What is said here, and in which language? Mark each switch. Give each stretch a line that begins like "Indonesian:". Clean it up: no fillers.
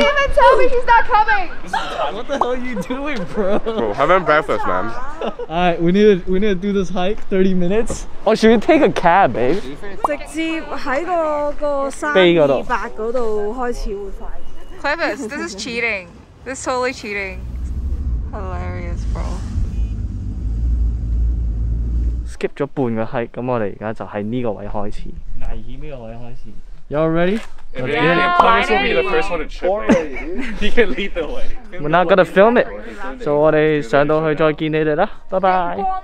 English: She didn't even tell me she's not coming. What the hell are you doing, bro? Bro, having breakfast, man. All right, we need to do this hike 30 minutes. Oh, should we take a cab, babe?
Cantonese: 直接喺個山200嗰度開始會快。
English: Clevis, this is cheating. This is totally cheating. Hilarious, bro.
Cantonese: Skip 咗半個 hike， 咁我哋而家就喺呢個位開始。危險呢個位開始。
English: Y'all ready? Yeah, Clevis will be the first one to trip. He can lead the way. We're not gonna film it.
Cantonese: So 我哋上到去再見你哋啦，拜拜。